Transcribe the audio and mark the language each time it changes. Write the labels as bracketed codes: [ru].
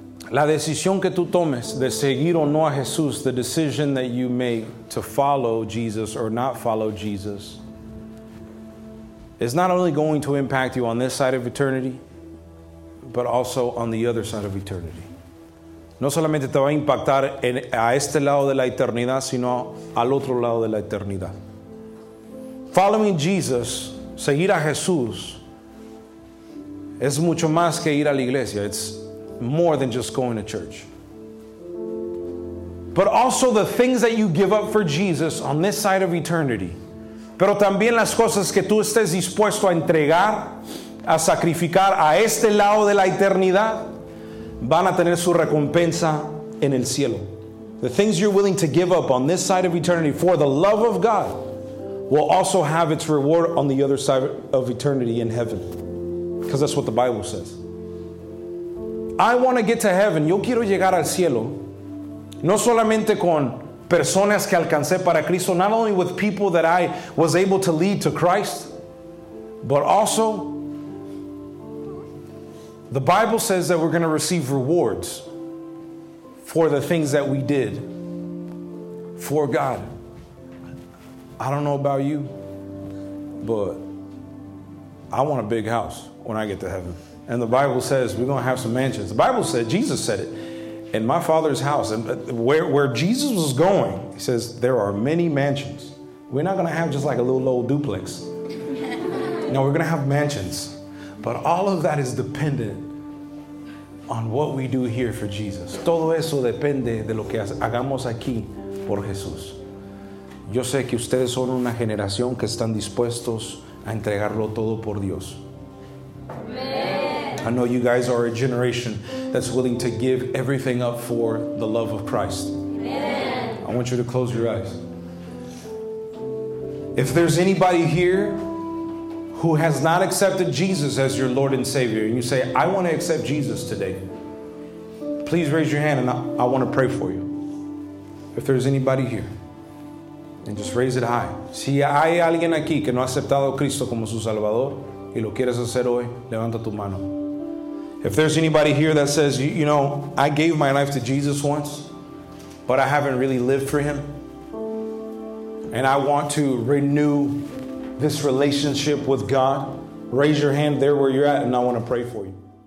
[es] La decisión que tú tomes de seguir o no a Jesús, [en] the decision that you make to follow Jesus or not follow Jesus, is not only going to impact you on this side of eternity, but also on the other side of eternity. [es] No solamente te va a impactar a este lado de la eternidad, sino al otro lado de la eternidad. [en] Following Jesus, [es] seguir a Jesús, es mucho más que ir a la iglesia. [en] It's more than just going to church. But also the things that you give up for Jesus on this side of eternity. [es] Pero también las cosas que tú estés dispuesto a entregar, a sacrificar a este lado de la eternidad, van a tener su recompensa en el cielo. [en] The things you're willing to give up on this side of eternity for the love of God will also have its reward on the other side of eternity in heaven. Because that's what the Bible says. I want to get to heaven. [es] Yo quiero llegar al cielo. No solamente con personas que alcancé para Cristo. [en] Not only with people that I was able to lead to Christ. But also, the Bible says that we're going to receive rewards for the things that we did for God. I don't know about you, but I want a big house when I get to heaven. And the Bible says we're going to have some mansions. The Bible said, Jesus said it, in my Father's house, and where Jesus was going, he says, there are many mansions. We're not going to have just like a little old duplex. No, we're going to have mansions. But all of that is dependent on what we do here for Jesus. [es] Todo eso depende de lo que hagamos aquí por Jesús. Yo sé que ustedes son una generación que están dispuestos a entregarlo todo por Dios. [en] I know you guys are a generation that's willing to give everything up for the love of Christ. Amen. I want you to close your eyes. If there's anybody here who has not accepted Jesus as your Lord and Savior, and you say, I want to accept Jesus today, please raise your hand and I want to pray for you. If there's anybody here, and just raise it high. [es] Si hay alguien aquí que no ha aceptado a Cristo como su Salvador y lo quieres hacer hoy, levanta tu mano. [en] If there's anybody here that says, you know, I gave my life to Jesus once, but I haven't really lived for him, and I want to renew this relationship with God, raise your hand there where you're at, and I want to pray for you.